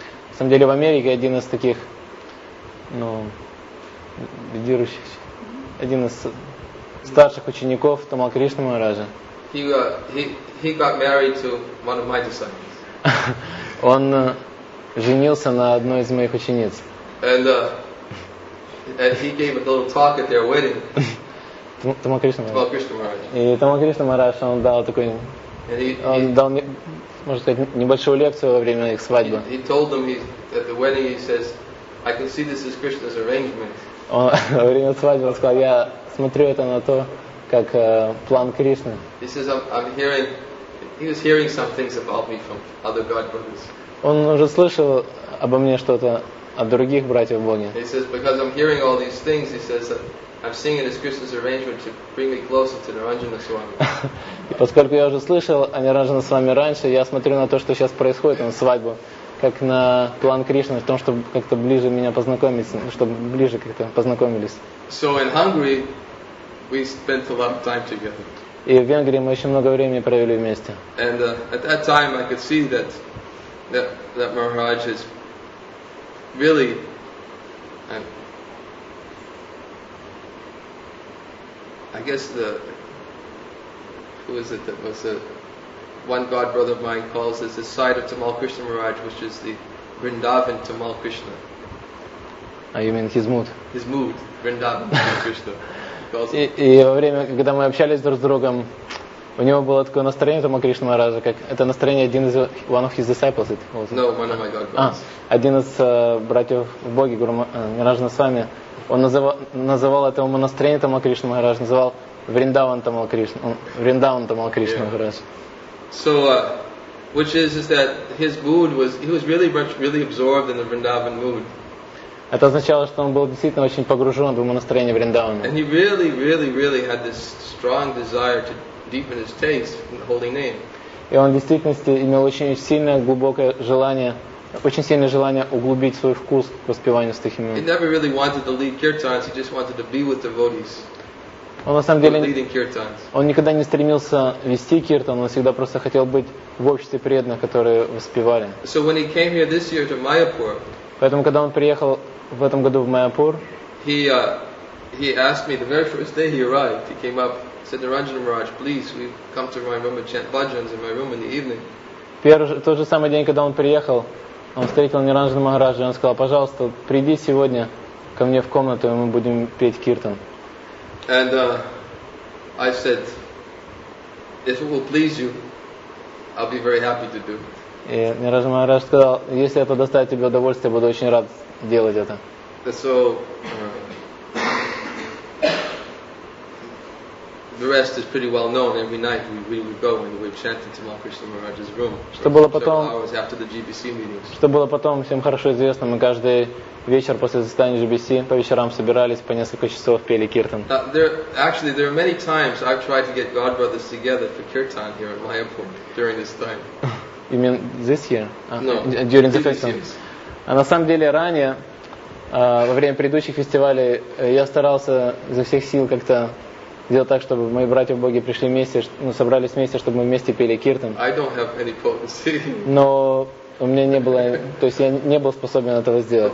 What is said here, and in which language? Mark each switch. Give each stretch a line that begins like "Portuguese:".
Russian: На самом деле в Америке один из таких, лидирующих, один из старших учеников Тамал Кришна Махараджа.
English: He got married to one of my disciples.
Russian: Он женился на одной из моих учениц.
English: And he gave a little talk at their wedding.
Russian: Тамал Кришна Махарадж. И Тамал Кришна Махарадж, он дал такой, он дал, можно сказать, небольшую лекцию во время их свадьбы.
English: He told them at the wedding, he says, I can see this is Krishna's arrangement.
Russian: Он во время свадьбы сказал, я смотрю это на то, как план Кришны.
English: He says, I'm hearing. He was hearing some things about me from other God brothers.
Russian: Он уже слышал обо мне что-то от других братьев Бога.
English: He says, because I'm hearing all these things, he says, I'm seeing it as Krishna's arrangement to bring me closer to Naranjana Swami.
Russian: И поскольку я уже слышал о Наранджана Свами раньше, я смотрю на то, что сейчас происходит, на свадьбу, как на план Кришны, в том, чтобы как-то ближе меня познакомить, чтобы ближе как-то познакомились.
English: So in Hungary, we spent a lot of time together.
Russian: И в Венгрии мы еще много времени провели вместе.
English: And at that time I could see that that Maharaj is really I guess the who is it that was a one God brother of mine calls this the side of Tamal Krishna Maharaj, which is the Vrindavan Tamal Krishna. You mean his mood? His mood, Vrindavan Tamal Krishna.
Russian: И во время, когда мы общались друг с другом, у него было такое настроение Тома Кришна Махараджа, как это настроение один из
English: one of his disciples. No, one of my God
Russian: один из братьев в Боге, Гуру Миранджана с вами, он называл это настроение Тома Кришна Махараджа, называл Вриндаван Тома Кришна Махараджа.
English: So, which is that his mood was, he was really much, really absorbed in the Vrindavan mood.
Russian: Это означало, что он был действительно очень погружен в настроение Вриндавана.
English: And he really, really, really had this strong desire to deepen his taste in the holy name.
Russian: И он в действительности имел очень сильное, глубокое желание, очень сильное желание углубить свой вкус к воспеванию святых имен.
English: He never really wanted to lead kirtans, he just wanted to be with devotees.
Russian: Он на самом деле, он никогда не стремился вести киртан, он всегда просто хотел быть в обществе преданных, которые воспевали.
English: So when he came here this year to Mayapur,
Russian: поэтому, когда он приехал в этом году в Майяпур,
English: he asked me the very first day he arrived, he came up, said, Niranjana Maharaj, please, we come to my room and chant bhajans in my room in the evening.
Russian: Тот же самый день, когда он приехал, он встретил Ниранджана Махараджа, и он сказал, пожалуйста, приди сегодня ко мне в комнату, и мы будем петь киртан.
English: And I said, if it will please you, I'll be very happy to do it.
Russian: И Ниранджана Махарадж сказал, если это доставит тебе удовольствие, я буду очень рад делать это.
English: So, the rest is pretty well known. Every night we would go and we'd chant into Tamal Krishna Maharaj's room.
Russian: Что было потом?
English: Hours after the GBC meetings.
Russian: Что было потом? Всем хорошо известно. Мы каждый вечер после заседания GBC по вечерам собирались по несколько часов пели киртан.
English: There are many times I've tried to get God brothers together for kirtan here at Mayapur during this time. You mean this year? No. During the festival.
Russian: А на самом деле ранее во время предыдущих фестивалей я старался изо всех сил как-то сделал так, чтобы мои братья в Боге пришли вместе, ну, собрались вместе, чтобы мы вместе пели киртан.
English: I don't have any potency.
Russian: Но у меня не было, то есть я не был способен этого сделать.